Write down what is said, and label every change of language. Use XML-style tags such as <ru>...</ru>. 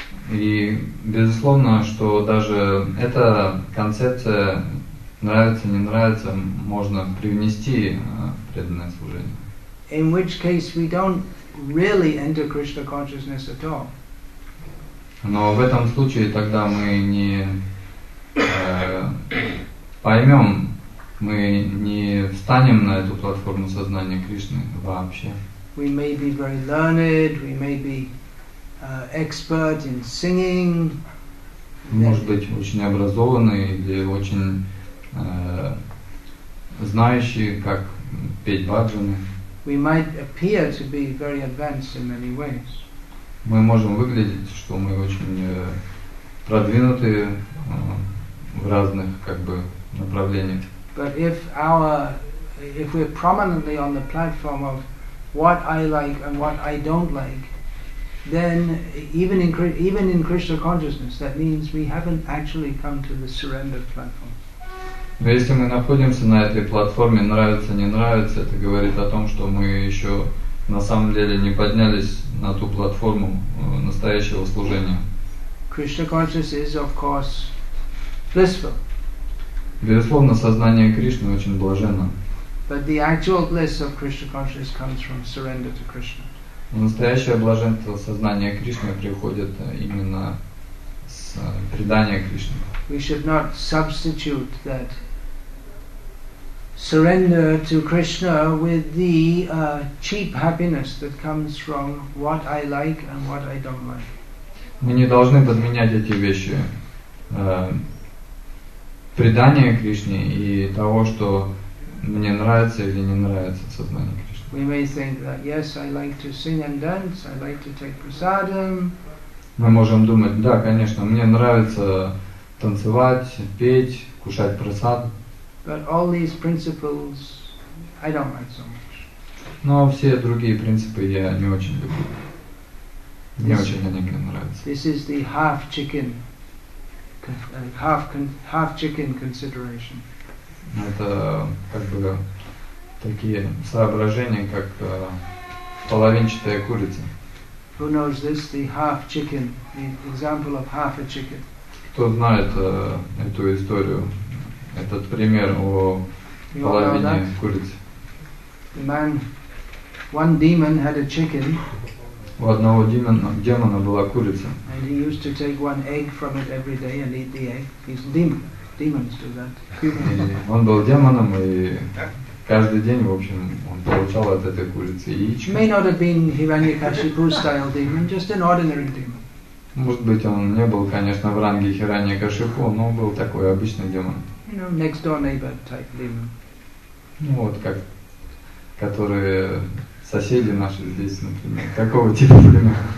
<ru>И безусловно, что даже эта концепция нравится, не нравится, можно привнести в преданное служение.</ru> <en>In which case we don't really enter Krishna consciousness at all.</en> <ru>Но в этом случае тогда мы не поймем, мы не встанем на эту платформу сознания Кришны вообще.</ru> <en>We may be very learned, we may be expert in singing.</en> <ru>Может быть, очень образованный или очень знающий, как петь баджаны.</ru> <en>We might appear to be very advanced in many ways.</en> <ru>Мы можем выглядеть, что мы очень продвинутые в разных как бы направлениях.</ru> <en>But if we're prominently on the platform of what I like and what I don't like, then even in Krishna consciousness, that means we haven't actually come to the surrendered platform.</en> <ru>Но если мы находимся на этой платформе, нравится, не нравится, это говорит о том, что мы еще на самом деле не поднялись на ту платформу настоящего служения.</ru> <en>Krishna consciousness is, of course, blissful.</en> <ru>Безусловно, сознание Кришны очень блаженно.</ru> <en>But the actual bliss of Krishna consciousness comes from surrender to Krishna.</en> <ru>Настоящее блаженство сознания Кришны приходит именно с предания Кришне.</ru> <en>We should not substitute that surrender to Krishna with the cheap happiness that comes from what I like and what I don't like.</en> <ru>Мы не должны подменять эти вещи. Предание Кришне и того, что мне нравится или не нравится сознание Кришны.</ru> <en>We may think that, yes, I like to sing and dance, I like to take prasadam.</en> <ru>Мы можем думать, да, конечно, мне нравится танцевать, петь, кушать прасад.</ru> <en>But all these principles I don't like so much.</en> <ru>Но все другие принципы я не очень люблю. Мне очень они нравятся.</ru> <en>This is the half chicken. Half chicken consideration.</en> <ru>Это как бы такие соображения, как половинчатая курица.</ru> <en>Who knows this? The half chicken, the example of half a chicken.</en> <ru>Кто знает эту историю, этот пример о половине курицы?</ru> <en>The man, one demon had a chicken.</en> <ru>У одного демона была курица.</ru> <en>And he used to take one egg from it every day and eat the egg. He's demon. Demons do that.</en> <ru>Он был демоном, и каждый день, в общем, он получал от этой курицы яичко.</ru> <en>May not have been Hiranyakashipu-style demon, just an ordinary demon.</en> <ru>Может быть, он не был, конечно, в ранге Хираньякашипу, но был такой обычный демон.</ru> <en>You know, know, next door neighbor type living.</en> <ru>Ну вот как, которые соседи наши здесь, например, такого типа племя.</ru>